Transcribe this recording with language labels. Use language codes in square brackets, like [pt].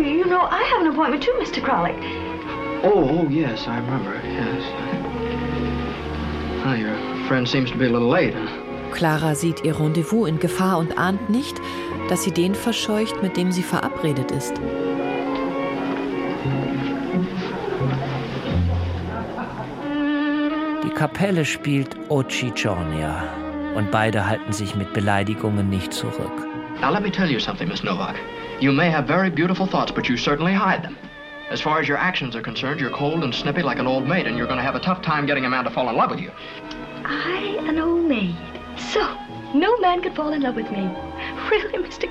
[en] You know, I have an appointment, too, Mr. Kralik. Oh, yes, I remember. Yes. Well, your friend seems to be a little late. [de] Clara sieht ihr Rendezvous in Gefahr und ahnt nicht, dass sie den verscheucht, mit dem sie verabredet ist. Die Kapelle spielt Oggi Giorno und beide halten sich mit Beleidigungen nicht zurück. [en] Now let me tell you something, Miss Novak. You may have very beautiful thoughts, but you certainly hide them. As far as your actions are concerned, you're cold and snippy like an old maid, and you're going to have a tough time getting a man to fall in love with you. I an old maid? So, no man could fall in love with me. Really, Mr.